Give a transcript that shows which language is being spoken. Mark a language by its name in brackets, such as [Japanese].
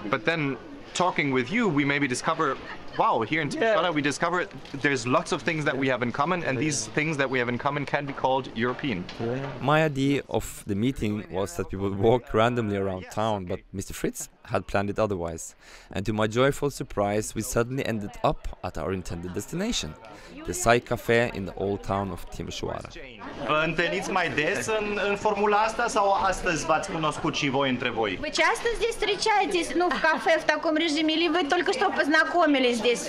[English] But then talking with you, we maybe discover, wow, here in Timișoara, we discover there's lots of things that we have in common, and these things that we have in common can be called European. Yeah. My idea of the meeting was that we would walk randomly around town, but Mr. Fritz had planned it otherwise. And to my joyful surprise, we suddenly ended up at our intended destination, the Sai Cafe in the old town of Timișoara. [Romanian] Vă întâlniți mai des în formula asta sau astăzi v-ați cunoscut și voi între voi? [Russian] Вы часто здесь встречаетесь, ну, в кафе в таком режиме, или вы только что познакомились?